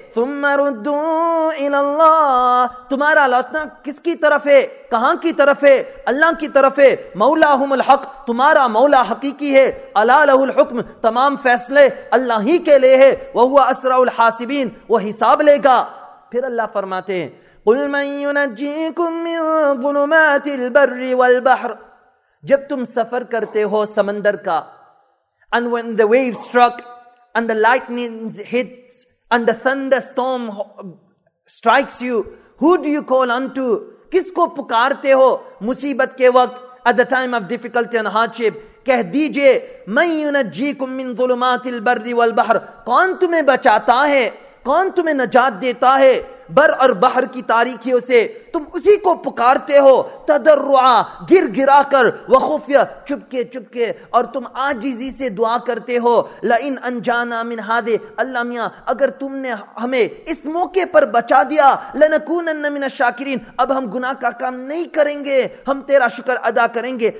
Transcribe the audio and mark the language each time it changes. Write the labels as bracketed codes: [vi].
[ar] ثم ردوا الى اللہ, [ur] تمہارا لوٹنا کس کی طرف ہے, کہاں کی طرف ہے؟ اللہ کی طرف ہے. [ar] مولاہم الحق, [ur] تمہارا مولا حقیقی ہے. [ar] الا له الحکم, [ur] تمام فیصلے اللہ ہی کے لیے ہے. [ar] وہو اسرع الحاسبین, [ur] وہ حساب لے گا. پھر اللہ فرماتے ہیں [ar] قل من ينجيكم من ظلمات البر والبحر, [ur] جب تم سفر کرتے ہو سمندر کا, [en] and when the waves struck and the lightning hits and the thunderstorm strikes you, who do you call unto, [ur] kisko pukarte ho musibat ke waqt, [en] at the time of difficulty and hardship, [ur] کہہ دیجئے [ar] من ینجیکم من ظلمات البر والبحر, [ur] کون تمہیں بچاتا ہے, کون تمہیں نجات دیتا ہے بر اور بحر کی تاریکیوں سے, تم اسی کو پکارتے ہو تدرعا گر گرا کر, وخفیہ چپکے چپکے, اور تم عاجزی سے دعا کرتے ہو [ar] لئن انجانا من ہادے, [ur] اللہ میاں اگر تم نے ہمیں اس موقع پر بچا دیا [ar] لنکونن من الشاکرین, [ur] اب ہم گناہ کا کام نہیں کریں گے, ہم تیرا شکر ادا کریں گے.